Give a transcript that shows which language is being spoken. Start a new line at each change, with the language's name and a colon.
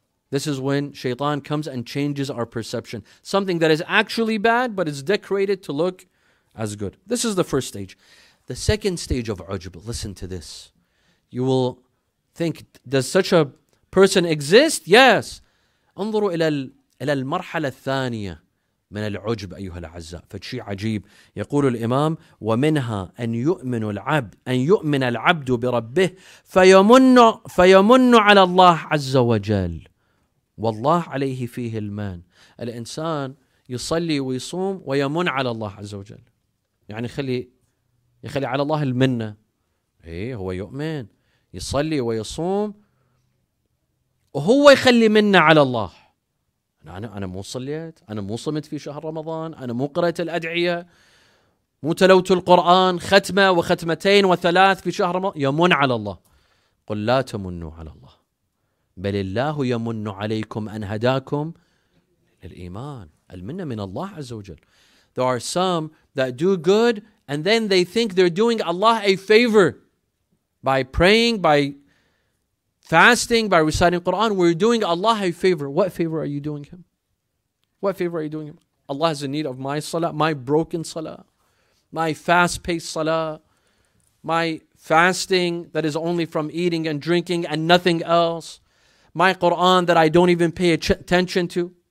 English: This is when Shaitan comes and changes our perception. Something that is actually bad, but is decorated to look as good. This is the first stage. The second stage of ujub, listen to this. You will think, does such a person exist? Yes.
Arabic: انظروا إلى المرحلة الثانية من العجب أيها الأعزاء. فشيء عجيب. يقول الإمام ومنها أن يؤمن العبد أن يؤمن العبد بربه فيمن على الله عز وجل والله عليه فيه المان. الإنسان يصلي ويصوم ويمن على الله عز وجل يعني يخلي على الله المنة. إيه هو يؤمن يصلي ويصوم وهو يخلي منا على الله. أنا مو صليت، أنا مو صمت في شهر رمضان، أنا مو قرأت الأدعية، مو تلوت القرآن ختمة وختمتين وثلاث في شهر رمضان. يمن على الله. قل لا تمنوا على الله بل الله يمن عليكم أن هداكم للإيمان. المنة من الله عز وجل.
English: There are some that do good and then they think they're doing Allah a favor by praying, by fasting, by reciting Quran, we're doing Allah a favor. What favor are you doing him? What favor are you doing him? Allah has a need of my salah, my broken salah, my fast-paced salah, my fasting that is only from eating and drinking and nothing else, my Quran that I don't even pay attention to.